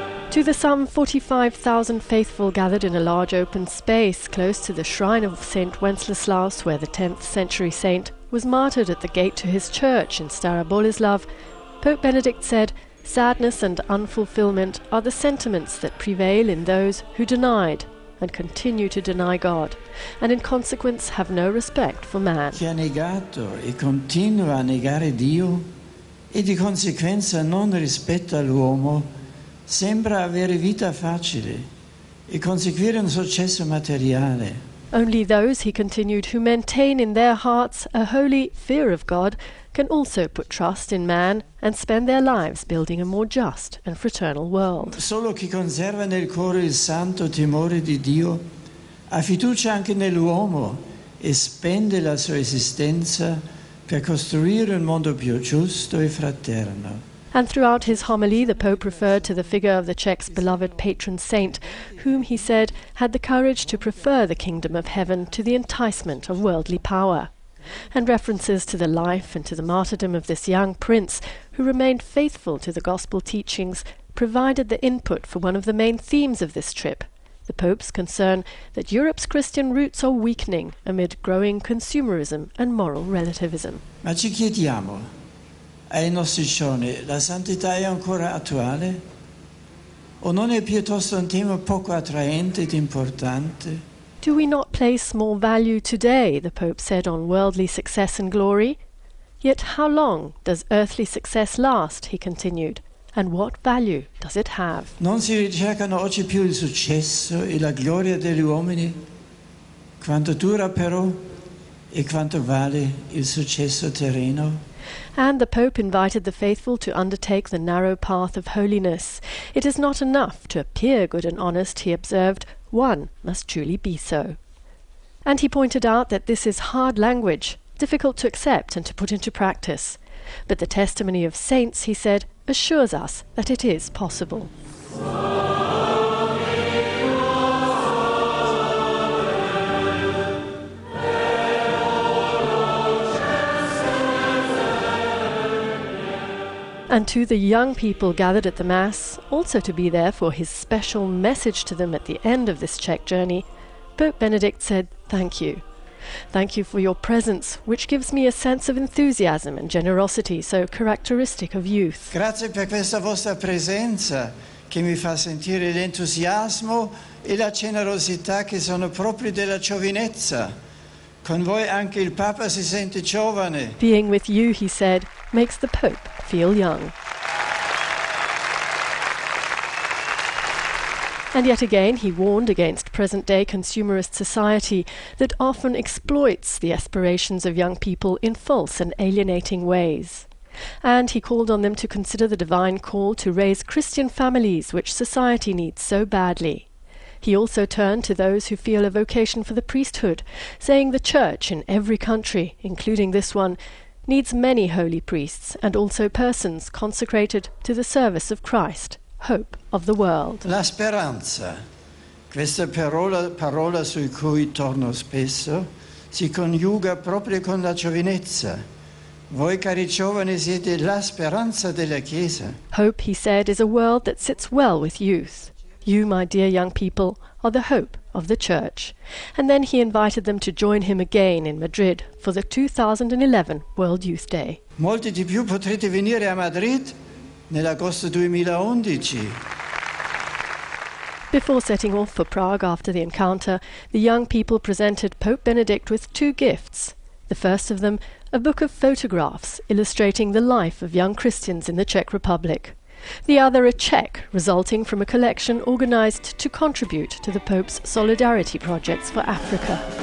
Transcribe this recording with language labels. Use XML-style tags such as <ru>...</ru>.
<en>To the some 45,000 faithful gathered in a large open space close to the shrine of Saint Wenceslas, where the 10th century saint was martyred at the gate to his church in Stara Boleslav, Pope Benedict said, "Sadness and unfulfillment are the sentiments that prevail in those who denied and continue to deny God, and in consequence have no respect for man."</en> <it>Chi ha negato e continua a negare Dio e di conseguenza non rispetta l'uomo sembra avere vita facile e conseguire un successo materiale.</it> <en>Only those, he continued, who maintain in their hearts a holy fear of God can also put trust in man and spend their lives building a more just and fraternal world. Solo chi conserva nel cuore il santo timore di Dio ha fiducia anche nell'uomo e spende la sua esistenza per costruire un mondo più giusto e fraterno. And throughout his homily, the Pope referred to the figure of the Czech's beloved patron saint, whom, he said, had the courage to prefer the kingdom of heaven to the enticement of worldly power. And references to the life and to the martyrdom of this young prince, who remained faithful to the gospel teachings, provided the input for one of the main themes of this trip, the Pope's concern that Europe's Christian roots are weakening amid growing consumerism and moral relativism.</en> <it>Ma ci chiediamo, ai nostri giorni, la santità è ancora attuale? O non è piuttosto un tema poco attraente ed importante?</it> <en>Do we not place more value today, the Pope said, on worldly success and glory? Yet how long does earthly success last, he continued, and what value does it have?</en> <it>Non si ricercano oggi più il successo e la gloria degli uomini? Quanto dura però e quanto vale il successo terreno?</it> <en>And the Pope invited the faithful to undertake the narrow path of holiness. It is not enough to appear good and honest, he observed. One must truly be so. And he pointed out that this is hard language, difficult to accept and to put into practice. But the testimony of saints, he said, assures us that it is possible. And to the young people gathered at the Mass, also to be there for his special message to them at the end of this Czech journey, Pope Benedict said, "Thank you. Thank you for your presence, which gives me a sense of enthusiasm and generosity so characteristic of youth."</en> <it>Grazie per questa vostra presenza che mi fa sentire l'entusiasmo e la generosità che sono propri della giovinezza. Con voi anche il Papa si sente giovane.</it> <en>Being with you, he said, makes the Pope feel young. And yet again, he warned against present-day consumerist society that often exploits the aspirations of young people in false and alienating ways. And he called on them to consider the divine call to raise Christian families, which society needs so badly. He also turned to those who feel a vocation for the priesthood, saying the Church in every country, including this one, needs many holy priests and also persons consecrated to the service of Christ, hope of the world.</en> <it>La speranza, questa parola su cui torno spesso, si coniuga proprio con la giovinezza. Voi, cari giovani, siete la speranza della Chiesa.</it> <en>Hope, he said, is a world that sits well with youth. You, my dear young people, are the hope of the Church. And then he invited them to join him again in Madrid for the 2011 World Youth Day.</en> <it>Molti di più potrete venire a Madrid nell'agosto 2011.</it> <en>Before setting off for Prague after the encounter, the young people presented Pope Benedict with two gifts. The first of them, a book of photographs illustrating the life of young Christians in the Czech Republic. The other, a cheque resulting from a collection organized to contribute to the Pope's solidarity projects for Africa.</en>